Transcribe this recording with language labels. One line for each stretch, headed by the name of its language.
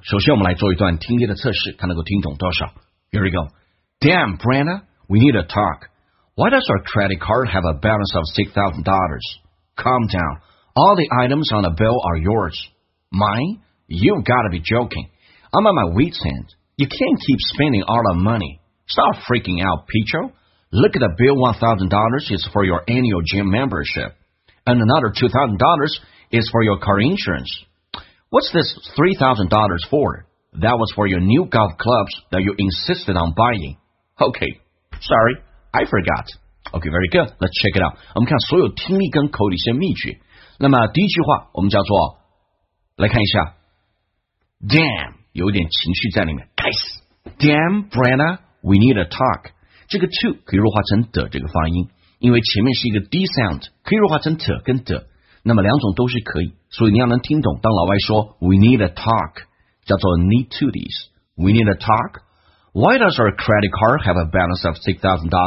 Chinese: 首先我们来做一段听力的测试，看能够听懂多少。
English: Here we go. Damn, Brenna, we need to talk. Why does our credit card have a balance of $6,000? Calm down. All the items on the bill are yours. Mine? You've got to be joking. I'm at my wit's end. You can't keep spending all our money. Stop freaking out, Picho. Look at the bill, $1,000 is for your annual gym membership. And another $2,000is for your car insurance. What's this $3,000 for? That was for your new golf clubs that you insisted on buying. Okay, sorry, I forgot. Okay, very good. Let's check it out.
Chinese: 我们看所有听力跟口语一些秘诀。那么第一句话我们叫做，来看一下。
English: Damn,
Chinese: 有点情绪在里面。开始。
English: Damn, Brenna, we need to talk.
Chinese: 这个 to 可以弱化成的这个发音，因为前面是一个 d sound， 可以弱化成的跟的。那么两种都是可以，所以你要能听懂。当老外说
English: We need a talk，
Chinese: 叫做
English: need to this。We need a talk. Why does our credit card have a balance of $6,000?